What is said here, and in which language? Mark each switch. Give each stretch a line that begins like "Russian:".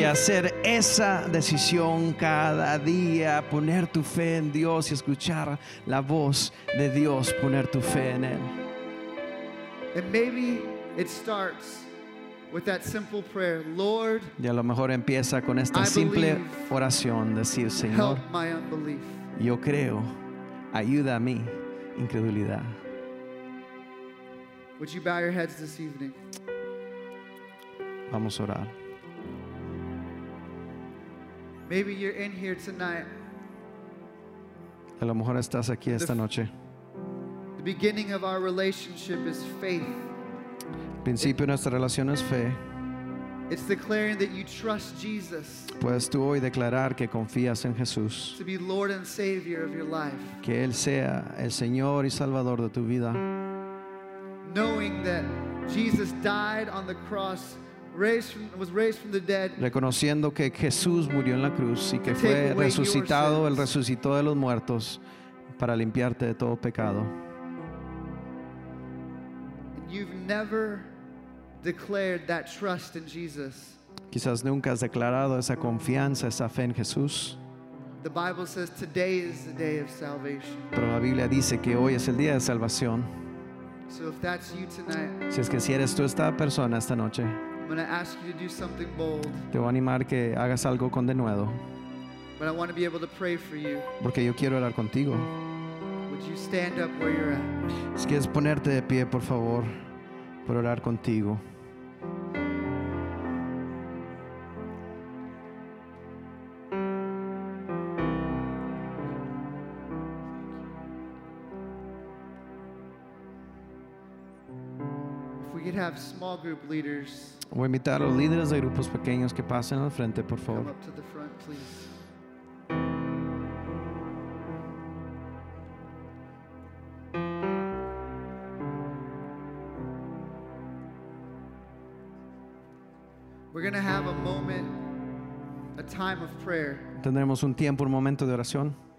Spanish: Y hacer esa decisión cada día, poner tu fe en Dios y escuchar la voz de Dios, poner tu fe en él.
English: And maybe it starts with that simple prayer, Lord.
Spanish: Y a lo mejor empieza con esta simple oración, decir, Señor,
English: help my unbelief.
Spanish: Yo creo, ayuda a mi incredulidad.
English: Would you bow your heads this evening?
Spanish: Vamos a orar.
English: Maybe you're in here tonight.
Spanish: A lo mejor estás aquí esta noche.
English: The beginning of our relationship is faith.
Spanish: El principio de nuestra relación es fe.
English: It's declaring that you trust Jesus.
Spanish: Puedes tú hoy declarar que confías en Jesús.
English: To be Lord and Savior of your life.
Spanish: Que él sea el Señor y Salvador de tu vida.
English: Knowing that Jesus died on the cross, was raised from the dead.
Spanish: Reconociendo que Jesús murió en la cruz y que fue resucitado, el resucitó de los muertos para limpiarte de todo pecado.
English: And you've never declared that trust in Jesus.
Spanish: Quizás nunca has declarado esa confianza, esa fe en Jesús.
English: The Bible says today is the day of salvation.
Spanish: Pero la Biblia dice que hoy es el día de salvación.
English: So if that's you tonight,
Spanish: si es que si eres tú esta persona esta noche,
English: I'm going to ask you to do something bold.
Spanish: Te voy a animar que hagas algo con denuedo.
English: But I want to be able to pray for you.
Spanish: Porque yo quiero orar contigo.
English: Would you stand up where you're at?
Spanish: Si quieres ponerte de pie, por favor. Por orar contigo.
English: If we could have small group leaders,
Spanish: voy a invitar a los líderes de grupos pequeños que pasen al frente, por favor.
English: Come up to the front, please. We're going to have a moment, a time of prayer.
Spanish: Tendremos un tiempo, un momento de oración.